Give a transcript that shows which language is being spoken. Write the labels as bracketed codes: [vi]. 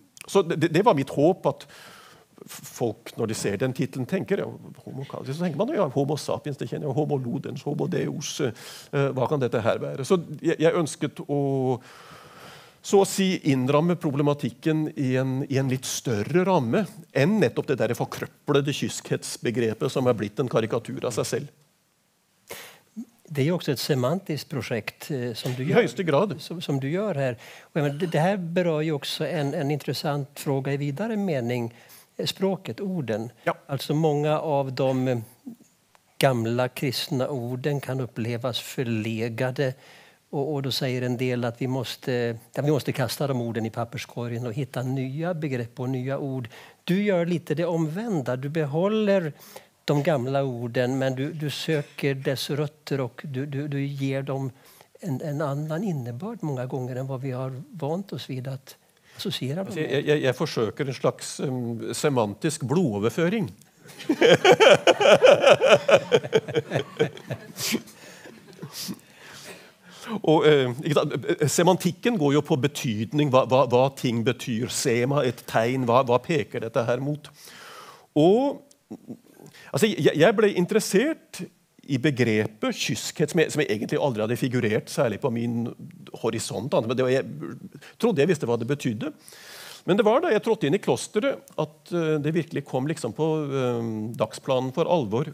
[no] Så det var mitt håp at folk, når de ser den titlen, tenker, ja, homo caldus, så tenker man, ja, homo sapiens, det kjenner jeg, homo ludens, homo deus, hva kan dette her være? Så jeg ønsket å så å si innramme problematikken i en litt større ramme enn nettopp det der forkrøplede kyskhetsbegrepet som har blitt en karikatur av seg selv. [sv] Det är också ett semantiskt projekt som du gör. I högsta grad. Som du gör här. Det här berör ju också en intressant fråga i vidare mening. Språket, orden. Ja. Alltså många av de gamla kristna orden kan upplevas förlegade. Och då säger en del att vi måste kasta de orden i papperskorgen och hitta nya begrepp och nya ord. Du gör lite det omvända. Du behåller de gamla orden, men du söker dess rötter och du ger dem en annan innebörd många gånger än vad vi har vant oss vid att associera dem. Jag försöker en slags semantisk blodöverföring. Och semantiken går ju på betydning, vad ting betyder, sema ett tecken, vad pekar detta här mot? [no] Och altså, jeg ble interessert i begrepet kyskhet, som jeg egentlig aldri hadde figurert, særlig på min horisont. Men det var, jeg trodde jeg visste hva det betydde. Men det var da jeg trådte inn i klosteret at det virkelig kom liksom på dagsplanen for alvor.